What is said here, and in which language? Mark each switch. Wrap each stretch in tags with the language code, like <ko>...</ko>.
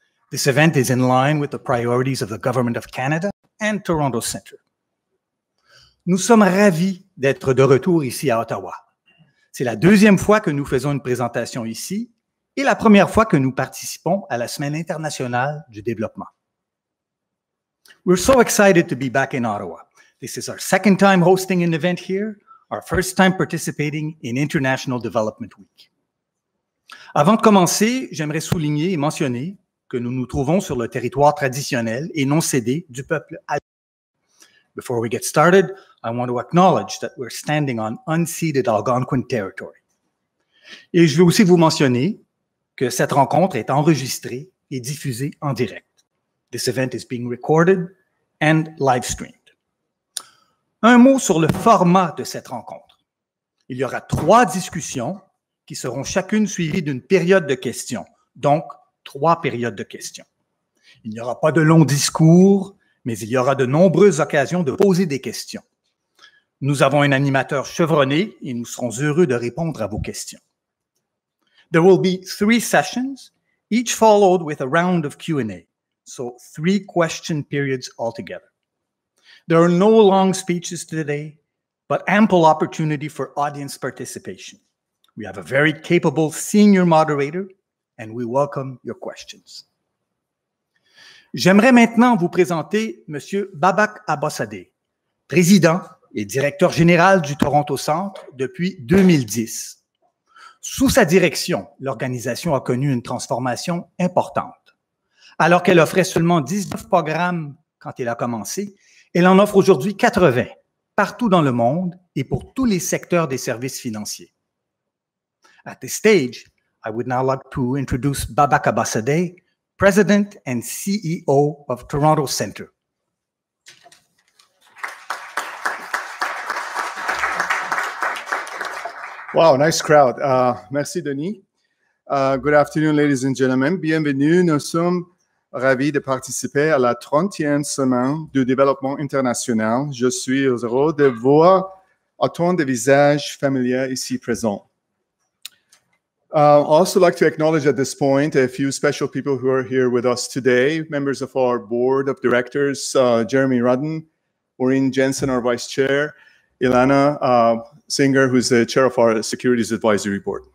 <en>This event is in line with the priorities of the Government of Canada and Toronto Centre.</en> <fr>Nous sommes ravis d'être de retour ici à Ottawa. C'est la deuxième fois que nous faisons une présentation ici et la première fois que nous participons à la Semaine internationale du développement.</fr> <en>We're so excited to be back in Ottawa. This is our second time hosting an event here, our first time participating in International Development Week.</en> <fr>Avant de commencer, j'aimerais souligner et mentionner que nous nous trouvons sur le territoire traditionnel et non cédé du peuple Aïe.</fr> <en>Before we get started, I want to acknowledge that we're standing on unceded Algonquin territory.</en> <fr>Et je veux aussi vous mentionner que cette rencontre est enregistrée et diffusée en direct.</fr> <en>This event is being recorded and live streamed.</en> <fr>Un mot sur le format de cette rencontre. Il y aura trois discussions qui seront chacune suivies d'une période de questions, donc trois périodes de questions. Il n'y aura pas de longs discours, mais il y aura de nombreuses occasions de poser des questions. Nous avons un animateur chevronné et nous serons heureux de répondre à vos questions.</fr> <en>There will be three sessions, each followed with a round of Q&A, so three question periods altogether. There are no long speeches today, but ample opportunity for audience participation. We have a very capable senior moderator, and we welcome your questions.</en> <fr>J'aimerais maintenant vous présenter M. Babak Abbasadeh, président et directeur général du Toronto Centre depuis 2010. Sous sa direction, l'organisation a connu une transformation importante. Alors qu'elle offrait seulement 19 programmes quand elle a commencé, elle en offre aujourd'hui 80, partout dans le monde et pour tous les secteurs des services financiers.</fr> <en>At this stage, I would now like to introduce Babak Abbasadeh, President and CEO of Toronto Centre. Wow, nice crowd. Merci, Denis. Good afternoon, ladies and gentlemen. Bienvenue.</en> <fr>Nous sommes ravis de participer à la 30e semaine du développement international. Je suis heureux de voir autant de visages familiers ici présents.</fr> <en>I also like to acknowledge at this point a few special people who are here with us today, members of our board of directors, Jeremy Rudden, Maureen Jensen, our vice chair, Ilana Singer, who's the chair of our securities advisory board.</en>